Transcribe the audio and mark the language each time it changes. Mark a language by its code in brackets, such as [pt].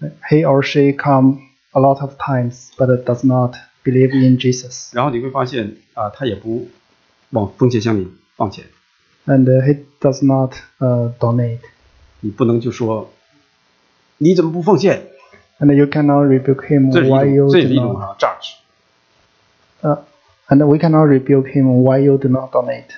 [en] He or she come a lot of times, but does not believe in Jesus. [zh] 然后你会发现，他也不往奉献箱里放钱。 [en] And he does not donate. [zh] 你不能就说你怎么不奄献。 [en] And you cannot rebuke him why you do not. [zh] 这是一种judge. [en] And we cannot rebuke him why you do not donate.